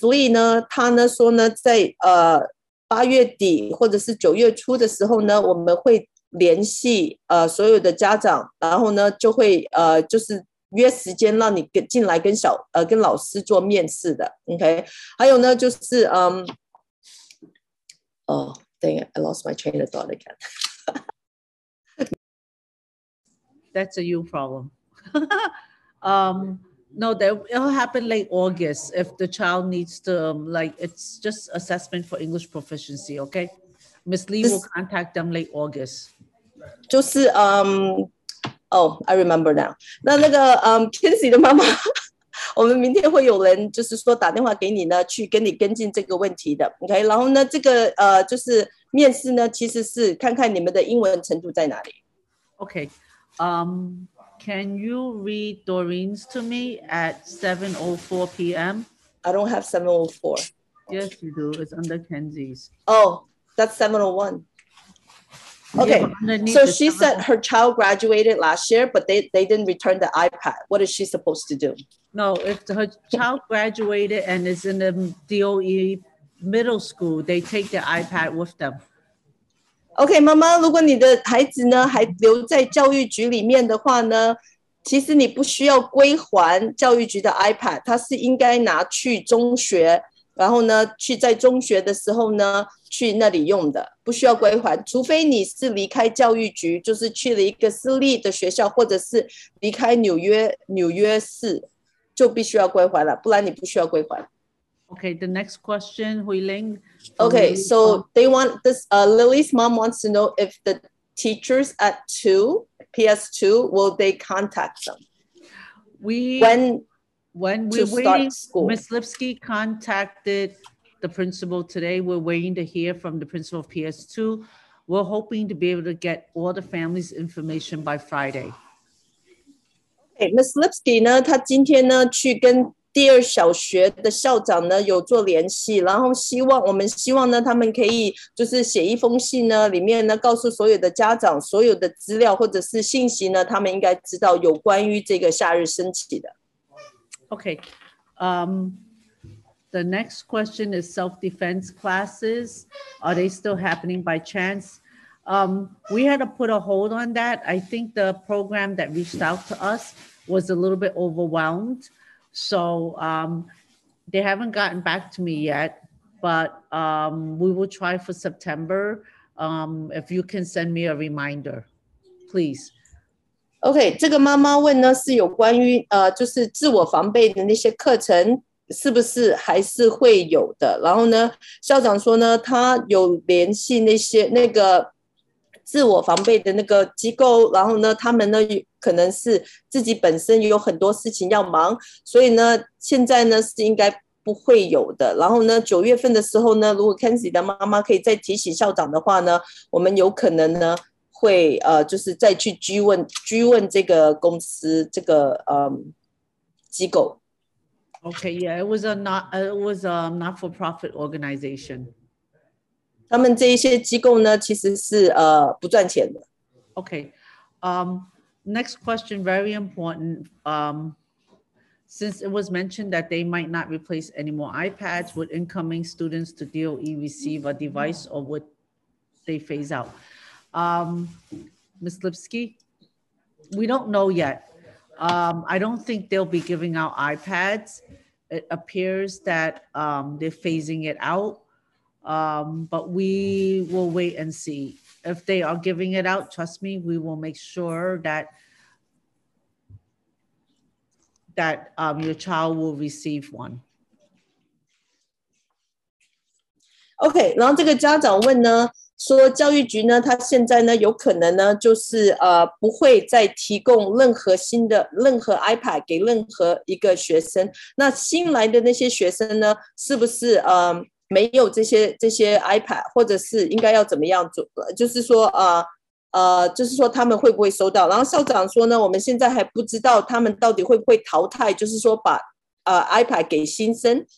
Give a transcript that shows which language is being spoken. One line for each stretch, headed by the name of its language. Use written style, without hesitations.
Chinese: Lee 呢他呢说呢在八月底或者是九月初的时候呢我们会联系所有的家长，然后呢就会就是约时间让你进来跟小跟老师做面试的。
English: OK,
Chinese: 还有呢就是
English: oh dang it, I lost my train of thought again. That's a you problem. No, that it'll happen late August if the child needs to, like, it's just assessment for English proficiency, okay? Ms. Lee will contact them late August. 就是, I remember now.
Chinese: 那个, Kinsey 的妈妈, 我们明天会有人就是说打电话给你呢，去跟你跟进这个问题的, okay? 然后呢, 这个, 就是面试呢, 其实是看看你们的英文程度在哪里。
English: Okay, Can you read Doreen's to me at 7:04 p.m.? I don't have 7:04. Yes, you do. It's under Kenzie's. Oh, that's 7:01. Okay, yeah, so she said her child graduated last year, but they didn't return the iPad. What is she supposed to do? No, if her child graduated and is in the DOE middle school, they take their iPad with them.
Chinese: OK, 妈妈，如果你的孩子呢还留在教育局里面的话呢，其实你不需要归还教育局的 iPad， 他是应该拿去中学，然后呢去在中学的时候呢去那里用的，不需要归还，除非你是离开教育局，就是去了一个私立的学校，或者是离开纽约市，就必须要归还了，不然你不需要归还。
English: Okay, the next question, Huiling. Okay, so they want this, Lily's mom wants to know if the teachers at 2, PS2, will they contact them? When we start school. Ms. Lipsky contacted the principal today. We're waiting to hear from the principal of PS2. We're hoping to be able to get all the families' information by Friday. Okay, Ms.
Chinese: Lipsky, 呢她今天呢去跟第二小学的校长呢有做联系，然后我们希望呢他们可以就是写一封信呢，里面呢告诉所有的家长所有的资料或者是信息呢，他们应该知道有关于这个夏日升起的。
English: Okay, the next question is self-defense classes. Are they still happening by chance? We had to put a hold on that. I think the program that reached out to us was a little bit overwhelmed. So they haven't gotten back to me yet, but we will try for September. If you can send me a reminder, please.
Chinese: Okay, 这个妈妈问呢是有关于就是自我防备的那些课程是不是还是会有的，然后呢校长说呢他有联系那些那个自我防备的那个机构，然后呢他们呢可能是自己本身有很多事情要忙，所以呢现在呢是应该不会有的，然后呢九月份的时候呢，如果 Kenzie 的妈妈可以再提醒校长的话呢，我们有可能呢会就是再去追问这个公司这个机构。
English: Okay, yeah, it was a not-for-profit organization.
Chinese: 他们这一些机构呢其实是不赚钱的。
English: Okay, next question, very important. Since it was mentioned that they might not replace any more iPads, would incoming students to DOE receive a device or would they phase out? Ms. Lipsky, we don't know yet. I don't think they'll be giving out iPads. It appears that they're phasing it out, but we will wait and see. If they are giving it out, trust me, we will make sure that your child will receive one.
Chinese: OK, 然后这个家长问呢说教育局呢他现在呢有可能呢就是不会再提供任何 iPad 给任何一个学生，那新来的那些学生呢是不是没有这些 iPad， 或者是应该要怎么样做，就是说就是说他们会不会收到，然后校长说呢我们现在还不知道他们到底会不会淘汰，就是说把iPad 给新生。